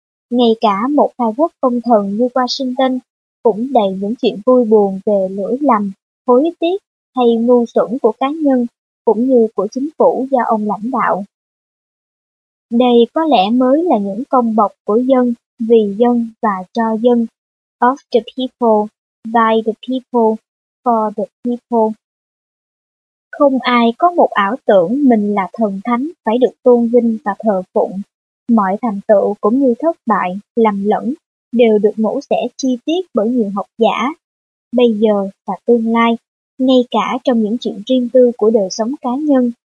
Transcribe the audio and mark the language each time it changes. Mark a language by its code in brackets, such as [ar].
[vi] Ngay cả một khai quốc công thần như Washington cũng đầy những chuyện vui buồn về lỗi lầm, hối tiếc hay ngu xuẩn của cá nhân cũng như của chính phủ do ông lãnh đạo. Đây có lẽ mới là những công bộc của dân, vì dân và cho dân. [en] Of the people, by the people, for the people. [vi] Không ai có một ảo tưởng mình là thần thánh phải được tôn vinh và thờ phụng. Mọi thành tựu cũng như thất bại, lầm lẫn đều được mổ xẻ chi tiết bởi nhiều học giả, bây giờ và tương lai, ngay cả trong những chuyện riêng tư của đời sống cá nhân.